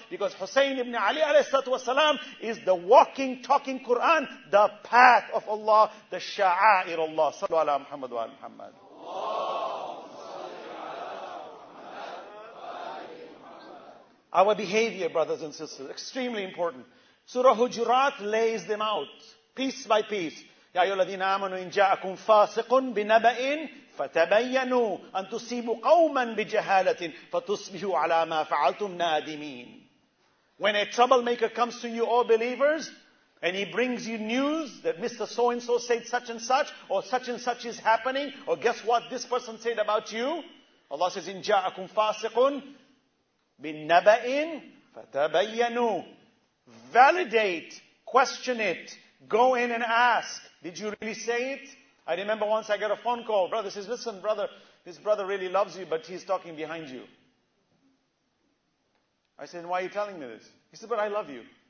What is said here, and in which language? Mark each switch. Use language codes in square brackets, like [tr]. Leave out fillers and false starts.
[en] Because Hussein ibn Ali alayhi wasalam is the walking, talking Quran, the path of Allah, the sha'air Allah. [ar] Sallu ala Muhammad wa ala Muhammad. [en] Our behavior, brothers and sisters, extremely important. Surah Hujurat lays them out piece by piece. [ar] Ya ayyuhalladhina amanu in ja'akum fasiqun binaba'in فَتَبَيَّنُوا أَن تُصِيبُوا قَوْمًا بِجَهَالَةٍ فَتُصْبِحُوا عَلَى مَا فَعَلْتُمْ نَادِمِينَ. [en] When a troublemaker comes to you, all believers, and he brings you news that Mr. So-and-so said such and such, or such and such is happening, or guess what this person said about you? Allah says, [ar] إِن جَاءَكُمْ فَاسِقٌ بِالنَّبَئٍ فَتَبَيَّنُوا. [en] Validate, question it, go in and ask, did you really say it? I remember once I got a phone call. Brother says, listen, brother, this brother really loves you, but he's talking behind you. I said, why are you telling me this? He said, but I love you.